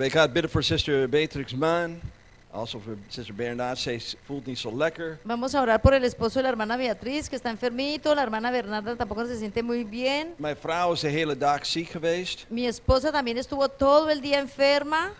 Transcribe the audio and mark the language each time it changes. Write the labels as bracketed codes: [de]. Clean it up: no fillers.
[nl] Ik had bidden voor sister Beatrix Mann. Also voor sister Bernadette. Ze voelt niet zo lekker. [es] Vamos a orar por el esposo de la hermana Beatriz, que está enfermito. La hermana Bernarda tampoco se siente muy bien. [nl] Mijn vrouw is de hele dag ziek geweest. [es] Mi esposa también estuvo todo el día enferma.